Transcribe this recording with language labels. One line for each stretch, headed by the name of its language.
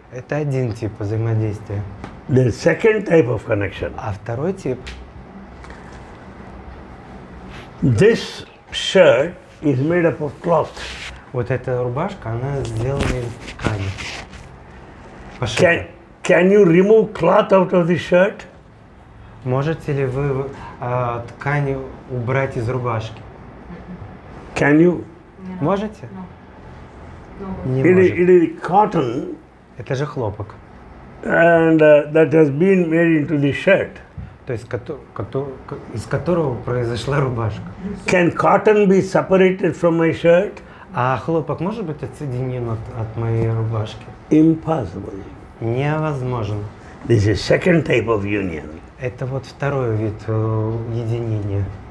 Russian: Это один тип взаимодействия.
English: The second type of connection.
Russian: А второй тип.
English: This shirt is made up of cloth.
Russian: Вот эта рубашка, она сделана из ткани.
English: Can you remove cloth out of the shirt?
Russian: Можете ли вы ткань убрать из рубашки?
English: Can you?
Russian: Можете? Не можете.
English: It is cotton.
Russian: Это же хлопок.
English: And that has been made into the shirt.
Russian: То есть из которого произошла рубашка.
English: Can cotton be separated from my shirt?
Russian: А хлопок может быть отсоединен от моей рубашки?
English: Impossible.
Russian: Невозможно.
English: This is second type of union.
Russian: Это вот второй вид единения.